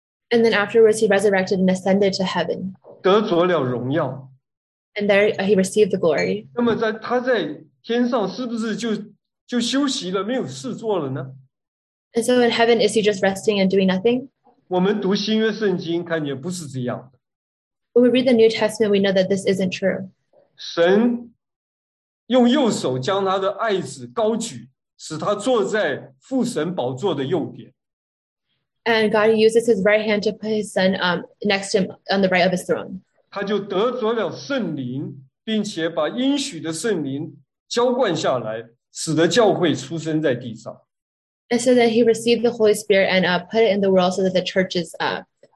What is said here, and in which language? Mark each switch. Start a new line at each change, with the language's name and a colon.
English: and then afterwards he resurrected and ascended to heaven.
Chinese: 得着了荣耀,
English: and there he received the glory.
Chinese: 那么他在天上是不是就休息了,没有事做了呢?
English: And so in heaven, is he just resting and doing nothing?
Chinese: 我们读新约圣经看见不是这样的。
English: When we read the New Testament, we know that this isn't true.
Chinese: 神用右手将他的爱子高举, 使他坐在父神宝座的右边。
English: And God uses his right hand to put his son next to him on the right of his throne.
Chinese: 他就得着了圣灵, 并且把应许的圣灵浇灌下来, 使得教会出生在地上。
English: And so that he received the Holy Spirit and put it in the world so that the church is up.